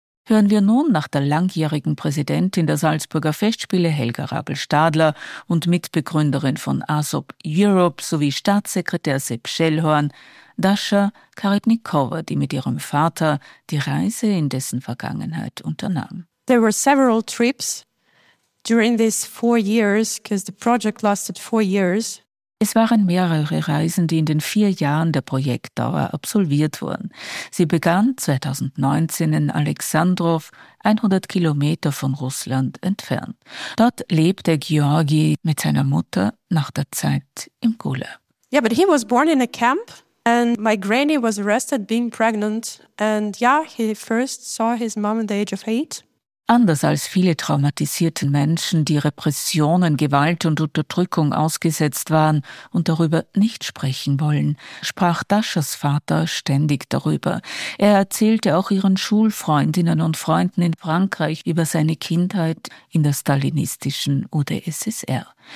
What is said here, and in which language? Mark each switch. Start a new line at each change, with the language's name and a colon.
German: Hören wir nun nach der langjährigen Präsidentin der Salzburger Festspiele Helga Rabl-Stadler und Mitbegründerin von ASOP Europe sowie Staatssekretär Sepp Schellhorn, Dascha Karibnikova, die mit ihrem Vater die Reise in dessen Vergangenheit unternahm.
English: There were several trips during these 4 years, because the project lasted 4 years.
German: Es waren mehrere Reisen, die in den 4 Jahren der Projektdauer absolviert wurden. Sie begann 2019 in Alexandrow, 100 Kilometer von Russland entfernt. Dort lebte Georgi mit seiner Mutter nach der Zeit im Gulag.
English: Yeah, but he was born in a camp and my granny was arrested being pregnant. And yeah, he first saw his mom at the age of 8.
German: Anders als viele traumatisierte Menschen, die Repressionen, Gewalt und Unterdrückung ausgesetzt waren und darüber nicht sprechen wollen, sprach Daschas Vater ständig darüber. Er erzählte auch ihren Schulfreundinnen und Freunden in Frankreich über seine Kindheit in der stalinistischen UdSSR.